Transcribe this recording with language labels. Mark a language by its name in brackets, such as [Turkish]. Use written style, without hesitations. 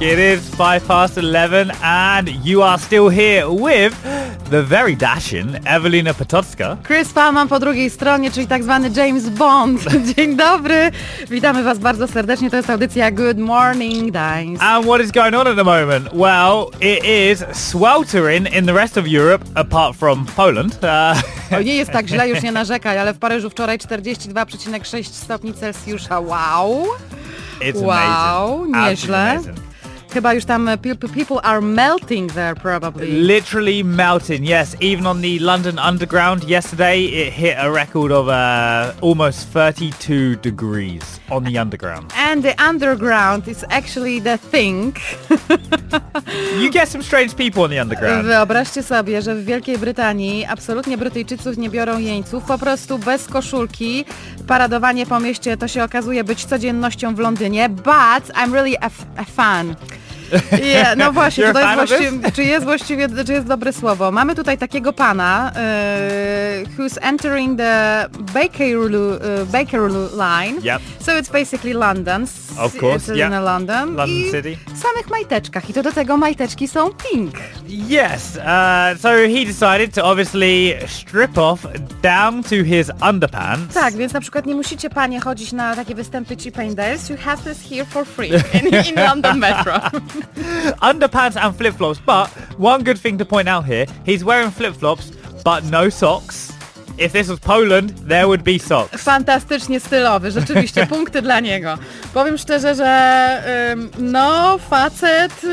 [English] It is 11:05 and you are still here with the very dashing Evelina Potocka. [Polish] Chris Palman po drugiej stronie, czyli tak zwany James Bond. Dzień dobry. Witamy Was bardzo serdecznie. To jest audycja Good Morning Dice. [English] And what is going on at the moment? Well, it is sweltering in the rest of Europe, apart from Poland. [Polish] O, nie jest tak źle, już nie narzekaj, ale w Paryżu wczoraj 42,6 stopni Celsjusza. [English] Wow. It's amazing. [Polish] Wow, nieźle. Chyba już tam [English] people are melting there probably. Literally melting, yes. Even on the London Underground yesterday, it hit a record of almost 32 degrees on the Underground. And the Underground is actually the thing. You get some strange people on the Underground. [Polish] Wyobraźcie sobie, że w Wielkiej Brytanii absolutnie Brytyjczyków nie biorą jeńców, po prostu bez koszulki. Paradowanie po mieście to się okazuje być codziennością w Londynie, [English] but I'm really a fan. [Polish] Yeah, no właśnie, to jest czy jest dobre słowo. Mamy tutaj takiego pana, [English] who's entering the Bakerloo line. Yep. So it's basically London. Of course, it's in London. London City. [Polish] W samych majteczkach i to do tego majteczki są pink. [English] Yes, so he decided to obviously strip off down to his underpants. [Polish] Tak, więc na przykład nie musicie panie chodzić na takie występy chippendales, [English] you have this here for free in London Metro. Underpants and flip-flops, but one good thing to point out here, he's wearing flip-flops, but no socks. If this was Poland, there would be socks. [Polish] Fantastycznie stylowy, rzeczywiście punkty dla niego. Powiem szczerze, że facet...